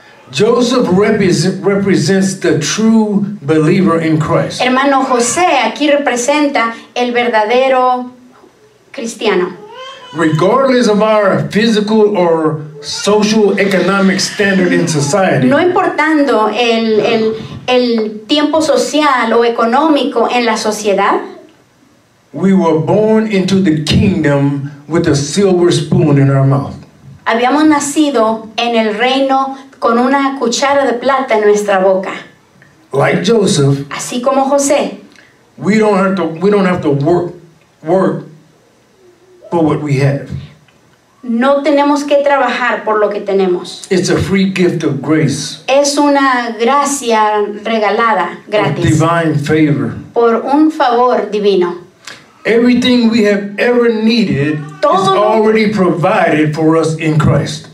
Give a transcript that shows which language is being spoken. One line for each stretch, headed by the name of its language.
English: Joseph represents the true believer in Christ.
Spanish: Hermano José aquí representa el verdadero cristiano.
English: Regardless of our physical or social economic standard in society.
Spanish: No importando el tiempo social o económico en la sociedad.
English: We were born into the kingdom with a silver spoon in our mouth.
Spanish: Habíamos nacido en el reino con una cuchara de plata en nuestra boca.
English: like Joseph,
Spanish: así como José,
English: we don't have to work for what we have.
Spanish: No tenemos que trabajar por lo que tenemos.
English: It's a free gift of grace.
Spanish: Es una gracia regalada, gratis.
English: A divine favor.
Spanish: Por un favor divino.
English: Everything we have ever needed is already provided for us in Christ.